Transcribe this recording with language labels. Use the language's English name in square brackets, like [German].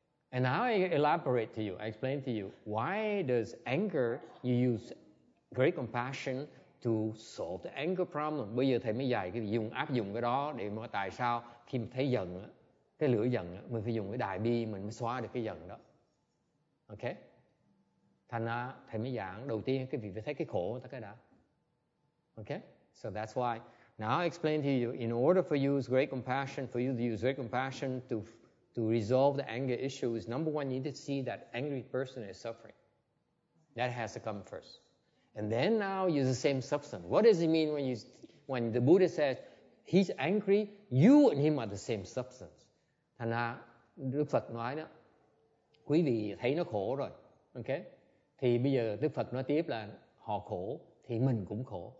[English] And now I elaborate to you, I explain to you, why does anger, you use great compassion to solve the anger problem? [Vietnamese] Bây giờ thầy mới dạy cái dùng áp dụng cái đó để mà tại sao khi mình thấy giận, cái lửa giận, mình phải dùng cái đại bi, mình mới xóa được cái giận đó. Ok? Thành ra thầy mới giảng, đầu tiên cái việc phải thấy cái khổ, ta cái đã. [English] Ok? So that's why. Now I explain to you, in order for you to use great compassion, for you to use great compassion to resolve the anger issue is, number one, you need to see that angry person is suffering. That has to come first. And then now use the same substance. What does it mean when the Buddha says he's angry, you and him are the same substance? [Vietnamese] Thành ra Đức Phật nói đó, quý vị thấy nó khổ rồi, ok? Thì bây giờ Đức Phật nói tiếp là họ khổ thì mình cũng khổ.